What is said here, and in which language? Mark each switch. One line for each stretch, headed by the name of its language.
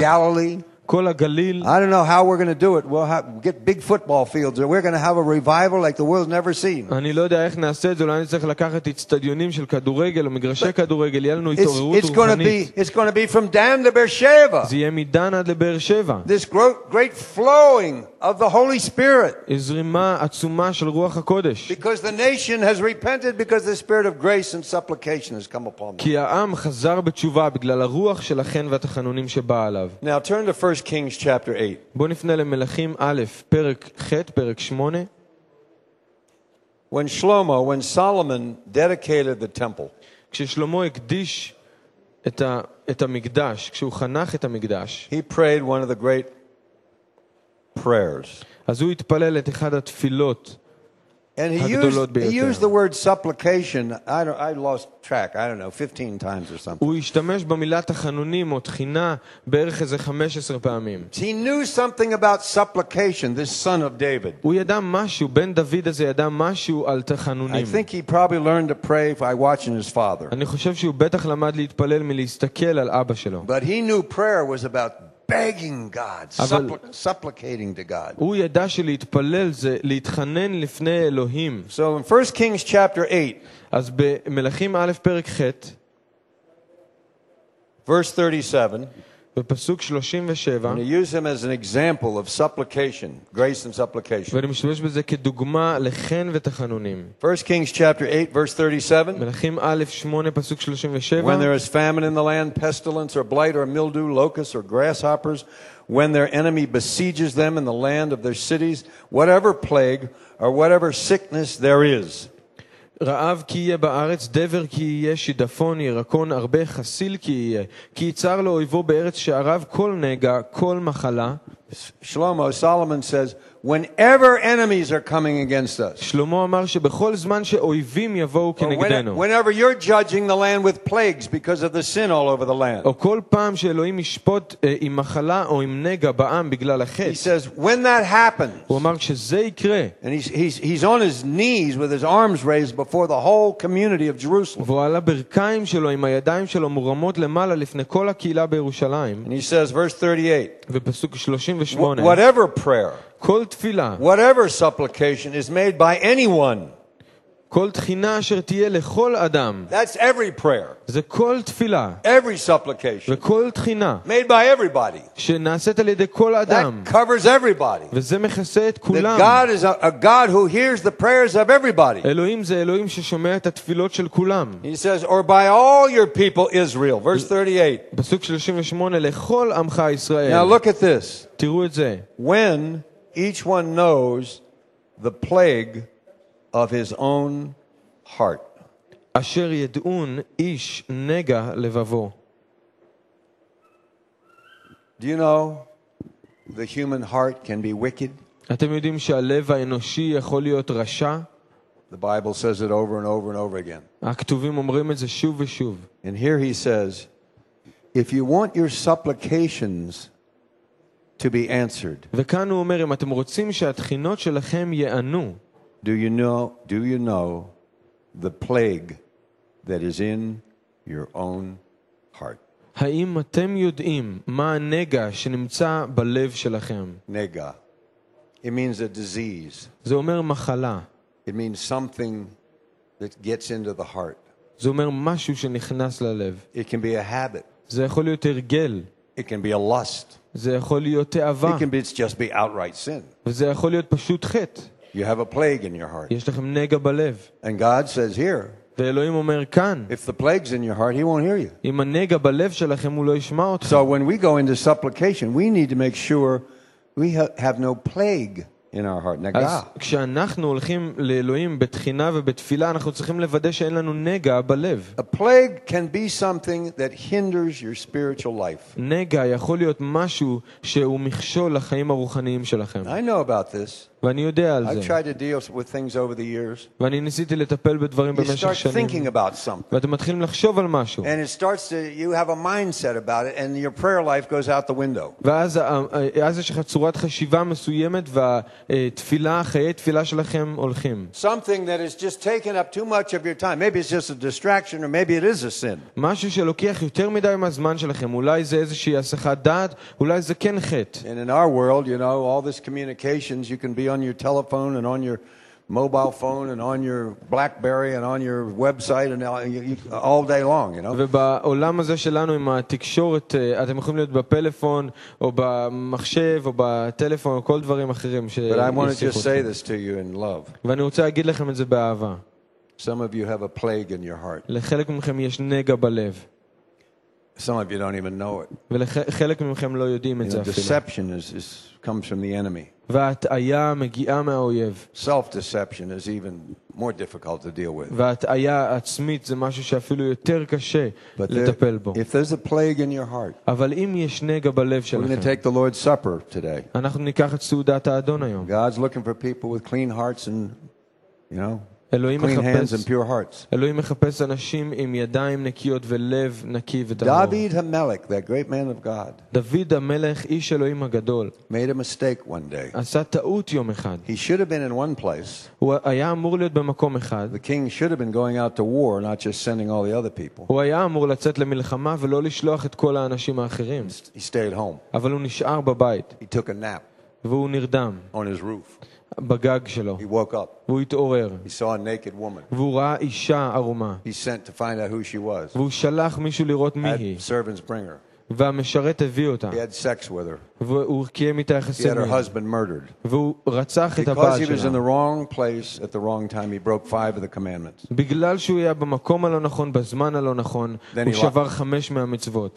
English: All of Galilee,
Hebrew: כל הגליל.
English: I don't know how we're going to do it. We'll get big football fields, or we're going to have a revival like the world's never seen.
Hebrew: אני לא יודע איך נעשה את זה, אולי אני צריך לקחת אצטדיונים של כדורגל או מגרשי כדורגל, יהיה לנו התעוררות רוחנית.
English: It's going to be from Dan to Beersheba.
Hebrew: זה יהיה מדן עד לבאר שבע.
English: This great flowing of the Holy Spirit.
Hebrew: זרימה עצומה של רוח הקודש.
English: Because the nation has repented because the spirit of grace and supplication has come upon them.
Hebrew: כי העם חזר בתשובה בגלל הרוח של החן והתחנונים שבאה עליו.
English: Now turn to 1 Kings chapter 8.
Hebrew: בוא נפנה למלכים א', פרק ח', פרק 8.
English: When Solomon dedicated the temple.
Hebrew: כששלמה הקדיש את המקדש, כשהוא חנך את המקדש.
English: He prayed one of the great prayers.
Hebrew: אז הוא התפלל את אחד התפילות הגדולות ביותר.
English: And he used the word supplication. I lost track. I don't know, 15 times or something.
Hebrew: הוא השתמש במילה תחנונים או תחינה בערך איזה 15 פעמים.
English: He knew something about supplication, this son of David.
Hebrew: הוא ידע משהו, בן דוד הזה ידע משהו על תחנונים.
English: I think he probably learned to pray by watching his father.
Hebrew: אני חושב שהוא בטח למד להתפלל מלהסתכל על אבא שלו.
English: But he knew prayer was about begging God, supplicating to God.
Hebrew: הוא ידע שלהתפלל זה להתחנן לפני אלוהים.
English: So in 1 Kings chapter 8,
Hebrew: אז במלכים א' פרק ח', בפסוק 37,
English: and he used him as an example of supplication, grace and supplication.
Hebrew: ואני משתמש בזה כדוגמה לחן ותחנונים.
English: 1 Kings chapter 8, verse 37,
Hebrew: מלכים א', 8, פסוק 37,
English: when there is famine in the land, pestilence or blight or mildew, locusts or grasshoppers, when their enemy besieges them in the land of their cities, whatever plague or whatever sickness there is.
Hebrew: רעב כי יהיה בארץ, דבר כי יהיה, שידפון, ירקון, הרבה חסיל כי יהיה, כי ייצר לו אויבו בארץ שערב כל נגע, כל מחלה.
English: Shlomo, Solomon says, whenever enemies are coming against us.
Hebrew: שלמה אמר שבכל זמן שאויבים יבואו כנגדנו.
English: Whenever you're judging the land with plagues because of the sin all over the land.
Hebrew: או כל פעם שאלוהים ישפוט עם מחלה או עם נגע בעם בגלל החטא.
English: He says, when that happens.
Hebrew: הוא אמר שזה יקרה.
English: And he's on his knees with his arms raised before the whole community of Jerusalem.
Hebrew: והוא על הברכיים שלו עם הידיים שלו מורמות למעלה לפני כל הקהילה בירושלים.
English: And he says, verse 38.
Hebrew: ופסוק 38.
English: Whatever prayer.
Hebrew: כל תפילה,
English: whatever supplication is made by anyone,
Hebrew: כל תחינה אשר תהיה לכל אדם,
English: that's every prayer,
Hebrew: זה כל תפילה,
English: every supplication,
Hebrew: וכל תחינה,
English: made by everybody,
Hebrew: שנעשית על ידי כל אדם,
English: that covers everybody,
Hebrew: וזה מכסה את כולם.
English: That God is a God who hears the prayers of everybody.
Hebrew: אלוהים זה אלוהים ששומע את התפילות של כולם.
English: He says, or by all your people Israel, verse 38,
Hebrew: פסוק 38, לכל עמך ישראל.
English: Now look at this,
Hebrew: תראו את זה.
English: When each one knows the plague of his own heart.
Hebrew: Asher yed'un ish nega levavo.
English: Do you know the human heart can be wicked?
Hebrew: Atem yodim she'alev ha'enoshi yechol liot rasha?
English: The Bible says it over and over and over again.
Hebrew: Haktuvim omrim et ze shuv v'shuv.
English: And here he says, if you want your supplications to be answered.
Hebrew: וכאן הוא אומר, אם אתם רוצים שהתחינות שלכם יענו,
English: do you know the plague that is in your own heart?
Hebrew: האם אתם יודעים מה הנגע שנמצא בלב שלכם?
English: נגע. It means a disease.
Hebrew: זה אומר מחלה.
English: It means something that gets into the heart.
Hebrew: זה אומר משהו שנכנס ללב.
English: It can be a habit.
Hebrew: זה יכול להיות הרגל.
English: It can be a lust.
Hebrew: זה יכול להיות תאווה.
English: It can be just be outright sin.
Hebrew: וזה יכול להיות פשוט חטא.
English: You have a plague in your heart.
Hebrew: יש לכם נגע בלב.
English: And God says here,
Hebrew: ואלוהים אומר כאן,
English: if the plague's in your heart, he won't hear you.
Hebrew: אם הנגע בלב שלכם, הוא לא ישמע אותך.
English: So when we go into supplication, we need to make sure we have no plague in our heart.
Hebrew: נגע. אז כשאנחנו הולכים לאלוהים בתחינה ובתפילה, אנחנו צריכים לוודא שאין לנו נגע בלב.
English: A plague can be something that hinders your spiritual life.
Hebrew: נגע יכול להיות משהו שהוא מכשול לחיים הרוחניים שלכם.
English: I know about this.
Hebrew: ואני יודע על זה.
English: I've tried to deal with things over the years.
Hebrew: ואני ניסיתי לטפל בדברים במשך שנים.
English: You start thinking about something.
Hebrew: ואתם מתחילים לחשוב על משהו.
English: And it starts to, you have a mindset about it and your prayer life goes out the window.
Hebrew: ואז יש לך צורת חשיבה מסוימת והתפילה, חיי התפילה שלכם הולכים.
English: Something that is just taking up too much of your time. Maybe it's just a distraction or maybe it is a sin.
Hebrew: משהו שלוקח יותר מדי מהזמן שלכם. אולי זה איזושהי הסחת דעת, אולי זה כן חטא.
English: And in our world, you know, all this communications, you can be on your telephone and on your mobile phone and on your BlackBerry and on your website and all day long, you know.
Hebrew: ובעולם הזה שלנו עם התקשורת אתם יכולים להיות בפלאפון או במחשב או בטלפון או כל דברים אחרים ש
English: But I want to just say this to you in love.
Hebrew: ואני רוצה להגיד לכם את זה באהבה.
English: Some of you have a plague in your heart.
Hebrew: לחלק מכם יש נגע בלב.
English: Some of you don't even know it.
Hebrew: ולחלק מכם לא יודעים את זה אפילו.
English: Deception is comes from the enemy.
Hebrew: והתאיה מגיעה מהאויב.
English: Self-deception is even more difficult to deal with.
Hebrew: והתאיה עצמית זה משהו שאפילו יותר קשה לטפל בו.
English: If there's a plague in your heart,
Hebrew: אבל אם יש נגע בלב שלכם,
English: we're going to take the Lord's Supper today.
Hebrew: אנחנו ניקח את סעודת האדון היום.
English: God's looking for people with clean hearts and, you know,
Hebrew: אלוהים
English: clean hands and pure hearts.
Hebrew: אלוהים מחפש אנשים עם ידיים נקיות ולב נקי וטהור.
English: David HaMelech, that great man of God.
Hebrew: דוד המלך, איש אלוהים הגדול.
English: Made a mistake one day.
Hebrew: עשה טעות יום אחד.
English: He should have been in one place.
Hebrew: הוא היה אמור להיות במקום אחד.
English: The king should have been going out to war, not just sending all the other people.
Hebrew: הוא היה אמור לצאת למלחמה ולא לשלוח את כל האנשים האחרים.
English: He stayed home.
Hebrew: אבל הוא נשאר בבית.
English: He took a nap.
Hebrew: והוא נרדם.
English: On his roof.
Hebrew: בגג שלו.
English: He woke up.
Hebrew: והוא התעורר.
English: He saw a naked woman.
Hebrew: והוא ראה אישה ערומה.
English: He sent to find out who she was.
Hebrew: והוא שלח מישהו לראות מי היא.
English: Had servants bring her.
Hebrew: והמשרת הביא אותה.
English: He had sex with her.
Hebrew: והוא קיים איתה יחסי מין.
English: He had her husband murdered.
Hebrew: והוא רצח את הבעל שלה.
English: Because he was in the wrong place at the wrong time, he broke 5 of the commandments.
Hebrew: בגלל שהוא היה במקום הלא נכון, בזמן הלא נכון, הוא שבר 5 מהמצוות.